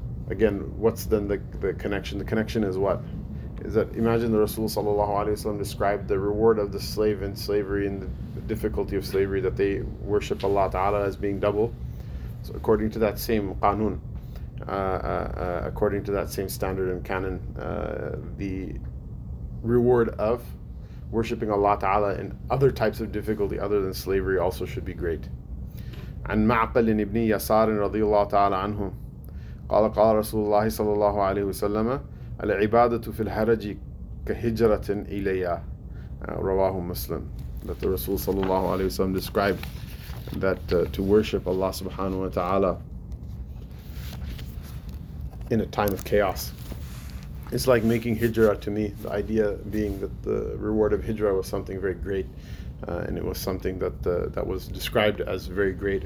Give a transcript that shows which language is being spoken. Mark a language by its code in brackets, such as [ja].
[en] Again, what's then the connection? The connection is what? Is that, imagine the Rasul Sallallahu Alaihi Wasallam described the reward of the slave in slavery and the difficulty of slavery, that they worship Allah Ta'ala as being double. So according to that same qanun, according to that same standard and canon, the reward of worshipping Allah Ta'ala in other types of difficulty other than slavery also should be great. [ar] عن معقل ابن يسار رضي الله تعالى عنه قال قال رسول الله صلى الله عليه وسلم العبادة في الحرج كهجرة إليا رواه مسلم. [en] That the Rasul [ar] صلى الله عليه وسلم [en] described that to worship Allah subhanahu wa ta'ala in a time of chaos, it's like making hijrah to me. The idea being that the reward of hijrah was something very great, and it was something that was described as very great.